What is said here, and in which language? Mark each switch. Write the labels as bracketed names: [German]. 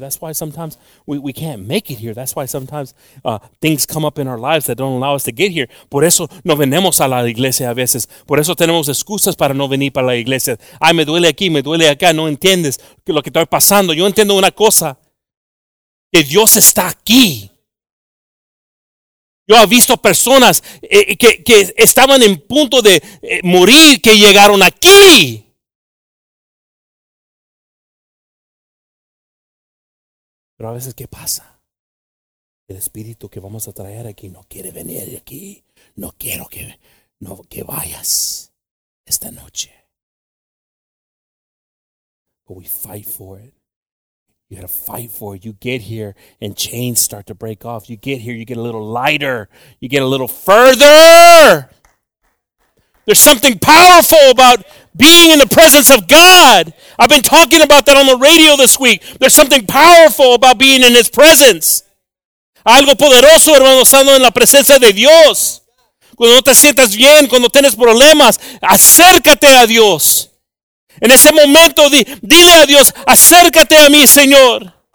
[English] That's why sometimes we can't make it here. That's why sometimes things come up in our lives that don't allow us to get here. [Spanish] Por eso no venimos a la iglesia a veces. Por eso tenemos excusas para no venir para la iglesia. Ay, me duele aquí, me duele acá. No entiendes lo que estoy pasando. Yo entiendo una cosa. Que Dios está aquí. Yo he visto personas que estaban en punto de morir que llegaron aquí. Pero a veces, ¿qué pasa? El espíritu que vamos a traer aquí no quiere venir aquí. No quiero que vayas esta noche. [English] But we fight for it. You got to fight for it. You get here and chains start to break off. You get here, you get a little lighter. You get a little further. There's something powerful about being in the presence of God. I've been talking about that on the radio this week. There's something powerful about being in His presence. [Spanish] Algo poderoso, hermano, estando en la presencia de Dios. Cuando no te sientas bien, cuando tienes problemas, acércate a Dios. En ese momento, dile a Dios, acércate a mí, Señor.